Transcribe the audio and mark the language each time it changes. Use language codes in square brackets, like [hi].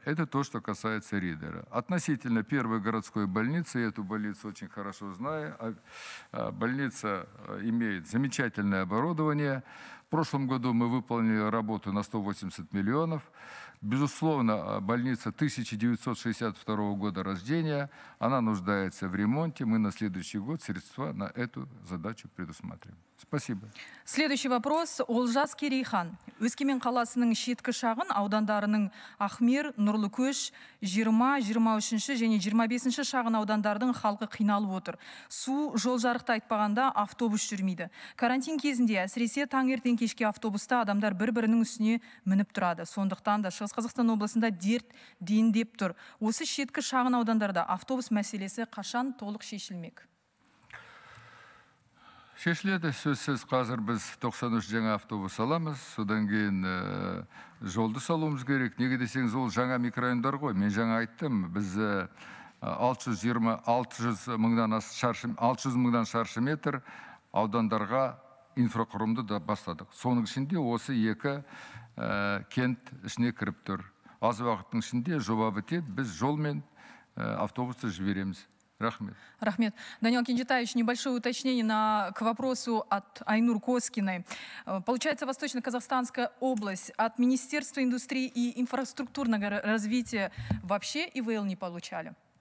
[ru] Это то, что касается Ридера. Относительно первой городской больницы, я эту больницу очень хорошо знаю, больница имеет замечательное оборудование. В прошлом году мы выполнили работу на 180 миллионов. Безусловно, больница 1962 года рождения, она нуждается в ремонте. Мы на следующий год средства на эту задачу предусматриваем. Спасибо. Следующий вопрос. Олжас Керейхан. [kk] Өскемен қаласының шеткі шағын, аудандарының Ахмер, Нұрлыкөш, 20, 23-ші және 25-ші шағын аудандардың халқы қиналып отыр. Су жол жарықта айтпағанда автобус жүрмейді. Карантин кезінде әсіресе таңертең кешке автобуста адамдар бір-бірінің үстіне мініп тұрады. Сондықтан да Шығыс Қазақстан облысында дерт дендеп тұр. Осы шеткі шағын аудандарда автобус мәселесі қашан толық шешілмек? Шешіледі, сөзсіз, қазір біз 93 жаңа автобус аламыз, содан кейін жолды салуымыз керек. Неге десеңіз, ол жаңа микрорайондар ғой, мен жаңа айттым, біз 600 мыңдан шаршы метр аудандарға инфрақұрымды да бастадық. Соның ішінде осы екі кент ішіне кіріп тұр. Аз уақыттың ішінде жоба бітеді, біз жолмен автобусты жібереміз. Рахмет. Рахмет. [ru] Даниил Кенжетаевич, небольшое уточнение к вопросу от Айнур Коскиной. Получается, Восточно-Казахстанская область от Министерства индустрии и инфраструктурного развития вообще ИВЛ не получали?